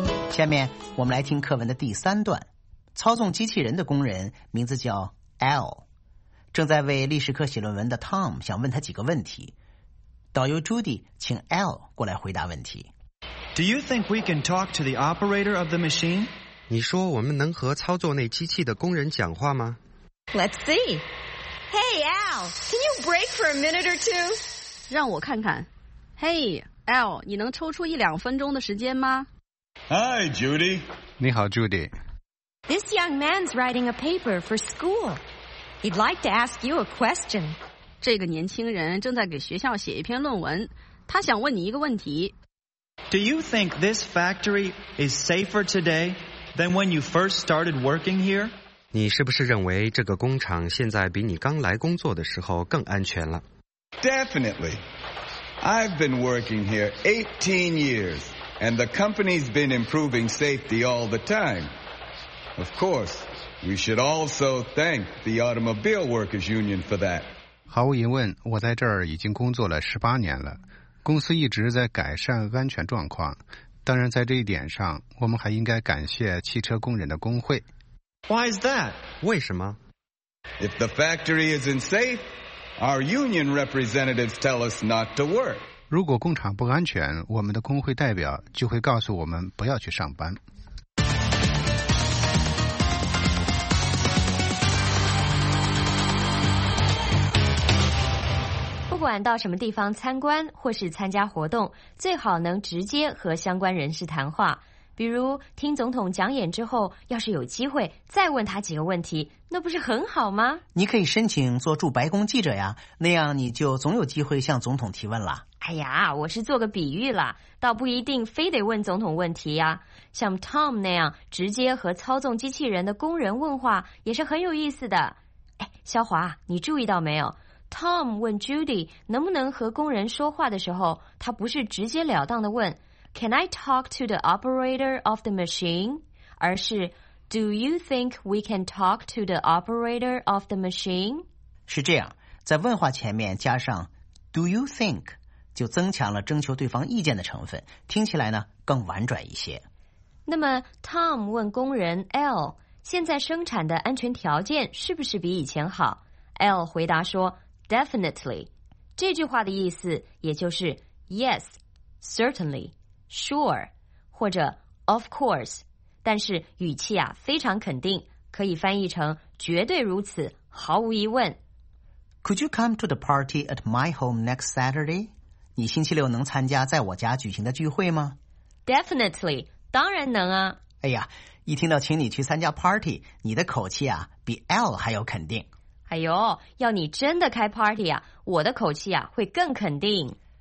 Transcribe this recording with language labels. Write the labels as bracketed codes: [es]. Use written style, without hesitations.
[zh] 下面我们来听课文的第三段。操纵机器人的工人名字叫 L， 正在为历史课写论文的 Tom 想问他几个问题。导游 Judy 请 L 过来回答问题。 [en] Do you think we can talk to the operator of the machine？ [zh] 你说我们能和操作那机器的工人讲话吗 [en] ？Let's see. Hey Al, can you break for a minute or two？ [zh] 让我看看。 Hey Al， 你能抽出一两分钟的时间吗？ [en] Hi, Judy. [zh] 你好 ,Judy. [en] This young man's writing a paper for school. He'd like to ask you a question. [zh] 这个年轻人正在给学校写一篇论文，他想问你一个问题。 [en] Do you think this factory is safer today than when you first started working here? [zh] 你是不是认为这个工厂现在比你刚来工作的时候更安全了？ [en] Definitely. I've been working here 18 years. And the company's been improving safety all the time. Of course, we should also thank the Automobile Workers Union for that. [zh] 毫无疑问，我在这儿已经工作了18年了。公司一直在改善安全状况。当然，在这一点上，我们还应该感谢汽车工人的工会。 [en] Why is that? [zh] 为什么？ [en] If the factory isn't safe, our union representatives tell us not to work. [zh] 如果工厂不安全，我们的工会代表就会告诉我们不要去上班。不管到什么地方参观或是参加活动，最好能直接和相关人士谈话。比如听总统讲演之后，要是有机会再问他几个问题，那不是很好吗？你可以申请做驻白宫记者呀，那样你就总有机会向总统提问了。哎呀，我是做个比喻了，倒不一定非得问总统问题呀。像 Tom 那样直接和操纵机器人的工人问话也是很有意思的。哎，肖华，你注意到没有？ Tom 问 Judy 能不能和工人说话的时候，他不是直截了当的问 [en] Can I talk to the operator of the machine? [zh] 而是 [en] Do you think we can talk to the operator of the machine? [zh] 是这样，在问话前面加上 [en] Do you think [zh] 就增强了征求对方意见的成分，听起来呢更婉转一些。那么 Tom 问工人 L 现在生产的安全条件是不是比以前好？ L 回答说 Definitely. 这句话的意思也就是 [en] Yes, certainly. Sure, [zh] 或者 [en] of course, [zh] 但是语气啊非常肯定，可以翻译成绝对如此，毫无疑问。 [en] Could you come to the party at my home next Saturday? [zh] 你星期六能参加在我家举行的聚会吗？ Definitely, 当然能啊。哎呀，一听到请你去参加 party, 你的口气啊比 L 还要肯定。哎呦，要你真的开 party 啊，我的口气啊会更肯定。